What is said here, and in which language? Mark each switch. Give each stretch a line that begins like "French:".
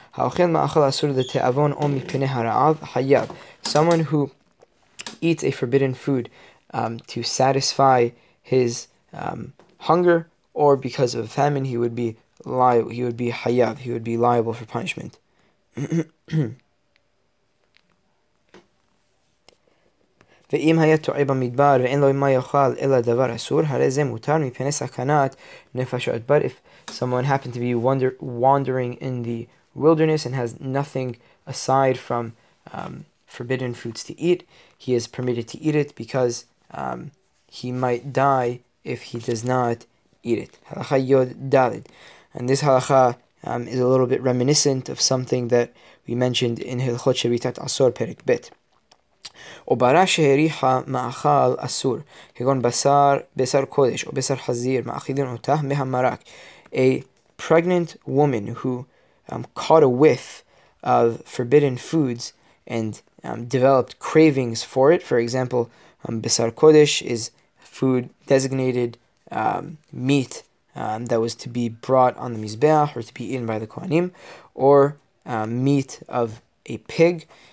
Hebrew: Ha'ochel ma'achal asur l'te'avon o mipnei ha'ra'av hayav.
English: Someone who eats a forbidden food to satisfy his hunger, or because of a famine, he would be hayav, he would be liable for punishment.
Hebrew: ואם היה טועה במדבר ואין לו מה יאכל אלא דבר אסור, הרי זה מותר מפני סכנת נפשות.
English: But if someone happened to be wandering in the wilderness and has nothing aside from forbidden fruits to eat, he is permitted to eat it because he might die if he does not eat it.
Hebrew: הלכה יוד דלת.
English: And this halakha is a little bit reminiscent of something that we mentioned in Hilchot Shevitat Asor Perek Bet.
Hebrew: או ברא שהריחה מאכל אסור, כגון בשר קודש או בשר חזיר, מאכילים אותה מהמרק.
English: A pregnant woman who caught a whiff of forbidden foods and developed cravings for it. For example, besar kodesh is food designated meat that was to be brought on the mizbeach or to be eaten by the kohanim, or meat of a pig.